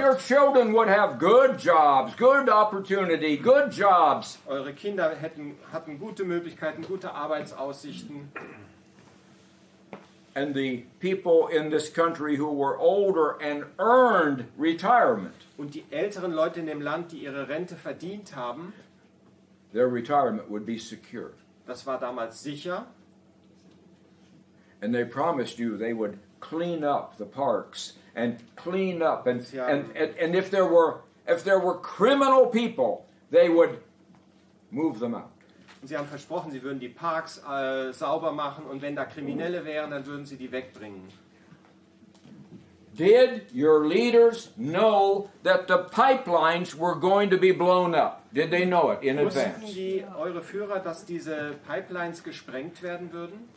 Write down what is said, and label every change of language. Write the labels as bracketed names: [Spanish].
[English] Your children would have good jobs, good opportunity, good jobs. [German] Eure Kinder hatten gute Möglichkeiten, gute Arbeitsaussichten. [English] and the people in this country who were older and earned retirement. [German] Und die älteren Leute in dem Land, die ihre Rente verdient haben, [English] their retirement would be secure. [German] Das war damals sicher. [English] And they promised you they would clean up the parks and clean up and if there were criminal people, they would move them out. [German] Sie haben versprochen, sie würden die Parks sauber machen und wenn da Kriminelle wären, dann würden sie die wegbringen. [English] Did your leaders know that the pipelines were going to be blown up? Did they know it in advance? [German] Wussten die eure Führer, dass diese Pipelines gesprengt werden würden?